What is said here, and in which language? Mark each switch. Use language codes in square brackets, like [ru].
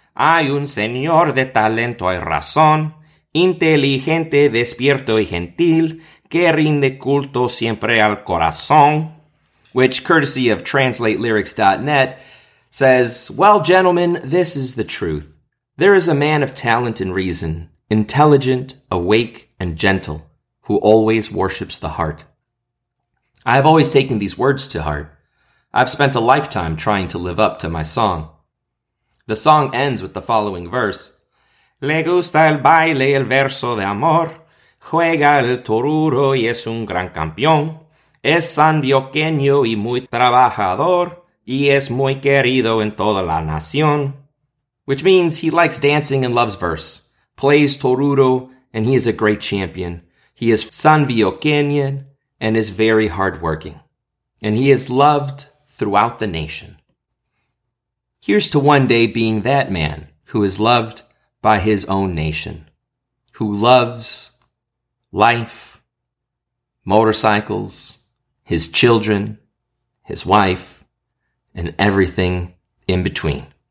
[es] Hay un señor de talento y razón, inteligente, despierto y gentil, que rinde culto siempre al corazón. [en] Which, courtesy of TranslateLyrics.net, says, well, gentlemen, this is the truth. There is a man of talent and reason, intelligent, awake, and gentle, who always worships the heart. I have always taken these words to heart. I've spent a lifetime trying to live up to my song. The song ends with the following verse. [es] Le gusta el baile el verso de amor. Juega el toruro y es un gran campeón. Es sanbioqueño y muy trabajador. Y es muy querido en toda la nación. [en] Which means he likes dancing and loves verse. Plays toruro and he is a great champion. He is sanbioqueño and is very hardworking. And he is loved throughout the nation. Here's to one day being that man who is loved by his own nation, who loves life, motorcycles, his children, his wife, and everything in between.